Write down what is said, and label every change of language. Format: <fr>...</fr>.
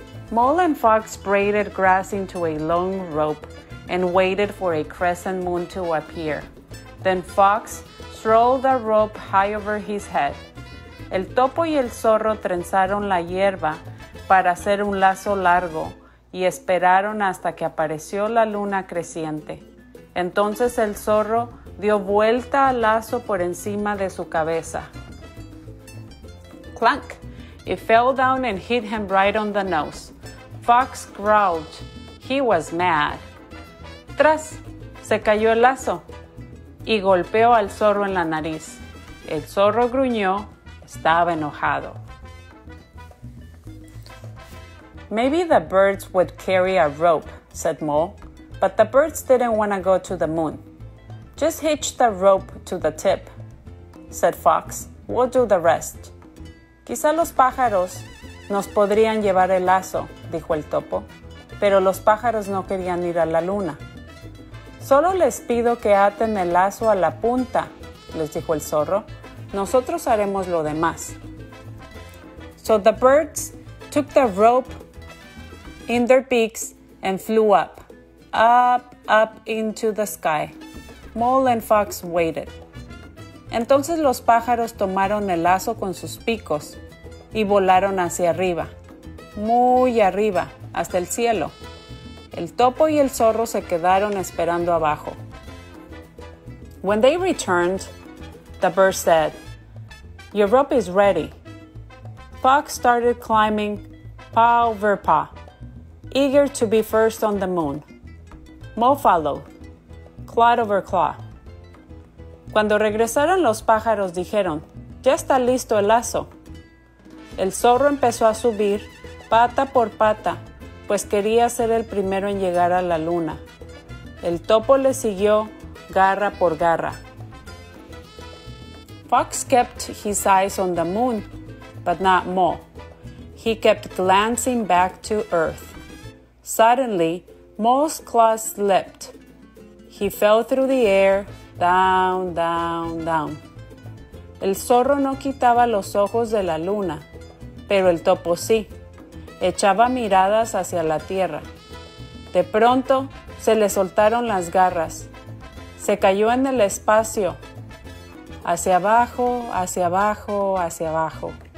<en>Mole and Fox braided grass into a long rope and waited for a crescent moon to appear. Then Fox strolled the rope high over his head.</en> <es>El topo y el zorro trenzaron la hierba para hacer un lazo largo y esperaron hasta que apareció la luna creciente. Entonces el zorro dio vuelta al lazo por encima de su cabeza.</es> <en>Clunk! It fell down and hit him right on the nose. Fox growled. He was mad.</en> <es>Tras! Se cayó el lazo y golpeó al zorro en la nariz. El zorro gruñó. Estaba enojado.</es> <en>"Maybe the birds would carry a rope," said Mo. "But the birds didn't want to go to the moon." "Just hitch the rope to the tip," said Fox. "We'll do the rest."</en> <es>"Quizá los pájaros nos podrían llevar el lazo," dijo el topo. Pero los pájaros no querían ir a la luna. "Solo les pido que aten el lazo a la punta," les dijo el zorro. "Nosotros haremos lo demás."</es> <en>So the birds took the rope in their beaks and flew up, up, up into the sky. Mole and Fox waited.</en> <es>Entonces los pájaros tomaron el lazo con sus picos y volaron hacia arriba, muy arriba, hasta el cielo. El topo y el zorro se quedaron esperando abajo.</es> <en>When they returned, the bird said, "Your rope is ready." Fox started climbing paw over paw, eager to be first on the moon. Mo followed, claw over claw.</en> <es>Cuando regresaron los pájaros dijeron, "Ya está listo el lazo." El zorro empezó a subir pata por pata, pues quería ser el primero en llegar a la luna. El topo le siguió garra por garra.</es> <en>Fox kept his eyes on the moon, but not Mo. He kept glancing back to Earth. Suddenly, Mo's claws slipped, He fell through the air, down, down, down.</en> <es>El zorro no quitaba los ojos de la luna, pero el topo sí. Echaba miradas hacia la tierra. De pronto, se le soltaron las garras. Se cayó en el espacio. Hacia abajo, hacia abajo, hacia abajo.</es>